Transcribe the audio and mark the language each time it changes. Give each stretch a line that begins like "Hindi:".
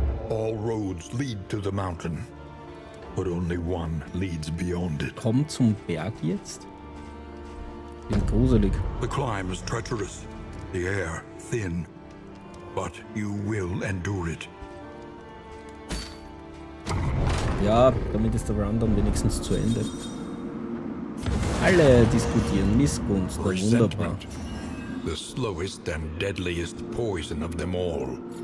English: All roads lead to the mountain, but only one leads beyond it.
German: Komm zum Berg jetzt. Bin gruselig.
English: The climb is treacherous, the air thin, but you will endure it.
German: Ja, damit ist der Run dann wenigstens zu Ende. Alle diskutieren Missgunst, da wunderbar.
English: The slowest and deadliest poison of them all.